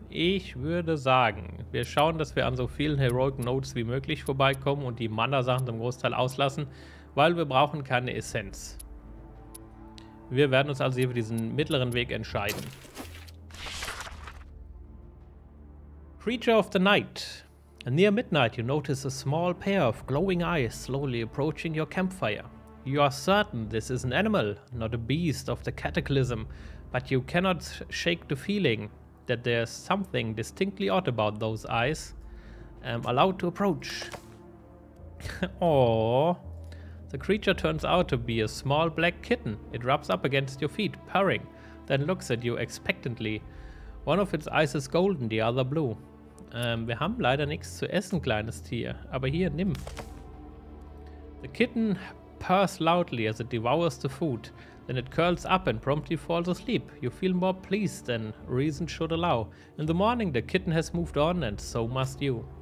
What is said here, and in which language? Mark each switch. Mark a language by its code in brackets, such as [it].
[de] Ich würde sagen, wir schauen, dass wir an so vielen Heroic Nodes wie möglich vorbeikommen und die Mana-Sachen zum Großteil auslassen, weil wir brauchen keine Essenz. Wir werden uns also hier für diesen mittleren Weg entscheiden. [en] Creature of the Night. Near midnight, you notice a small pair of glowing eyes slowly approaching your campfire. You are certain this is an animal, not a beast of the cataclysm, but you cannot shake the feeling that there's something distinctly odd about those eyes. Allowed to approach. Aww. The creature turns out to be a small black kitten. It rubs up against your feet, purring, then looks at you expectantly. One of its eyes is golden, the other blue. [de] Wir haben leider nichts zu essen, kleines Tier. Aber hier, nimm. [en] The kitten purrs loudly as it devours the food. Then it curls up and promptly falls asleep. You feel more pleased than reason should allow. In the morning, the kitten has moved on and so must you.